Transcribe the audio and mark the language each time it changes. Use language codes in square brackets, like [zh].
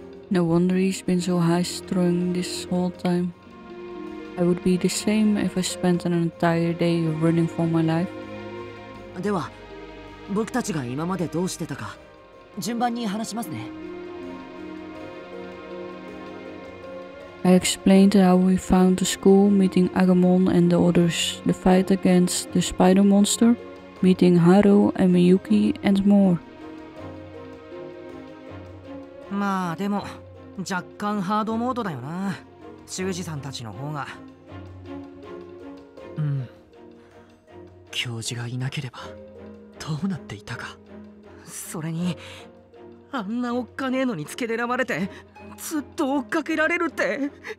[en] No wonder he's been so high strung this whole time. I would be the same if I spent an entire day running for my life. [ja] では、僕たちが今までどうしてたか、順番に話しますね。 [en] I explained how we found the school, meeting Agumon and the others, the fight against the spider monster, meeting Haru and Miyuki and more. [ja] まあでも若干ハードモードだよな、修二さんたちの方が。うん、教授がいなければどうなっていたか。それにあんなおっかねえのにつけ狙われてずっと追っかけられるって。